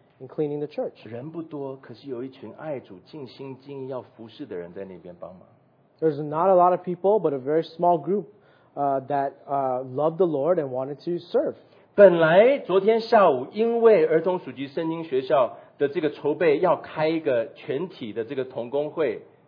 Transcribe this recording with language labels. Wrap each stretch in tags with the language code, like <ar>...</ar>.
<en>In cleaning the church.</en> <zh>人不多，可是有一群爱主、尽心尽意要服事的人在那边帮忙。</zh> <en>There's not a lot of people, but a very small group that loved the Lord and wanted to serve.</en> <zh>本来昨天下午因为儿童暑期圣经学校的这个筹备要开一个全体的这个同工会。</zh>